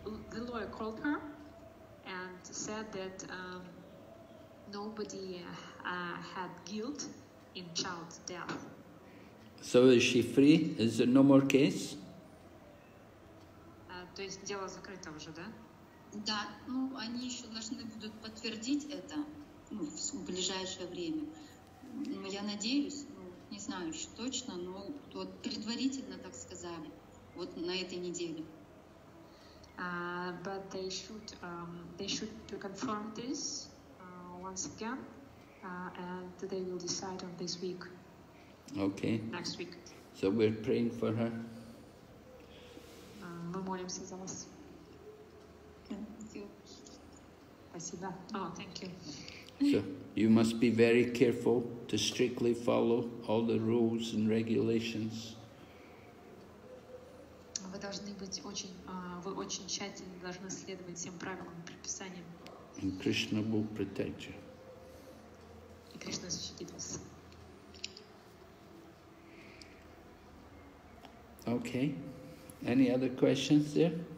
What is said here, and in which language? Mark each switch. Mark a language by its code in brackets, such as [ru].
[en] The lawyer called her and said that nobody had guilt in child's death. So is she free? Is there no more case? [ru] То есть дело закрыто уже, да? Да, ну они еще должны будут подтвердить это в ближайшее время. Но я надеюсь, не знаю еще точно, но вот предварительно так сказали, вот на этой неделе. [en] But they should confirm this once again. And they will decide on this week. Okay. Next week. So we're praying for her. [ru] Мы молимся за вас. [en] Thank you. [ru] Спасибо. [en] Oh, thank you. So you must be very careful to strictly follow all the rules and regulations. [ru] Вы должны быть очень тщательно должны следовать всем правилам и предписаниям. [en] And Krishna will protect you. [ru] И Кришна защитит вас. [en] Okay. Any other questions there?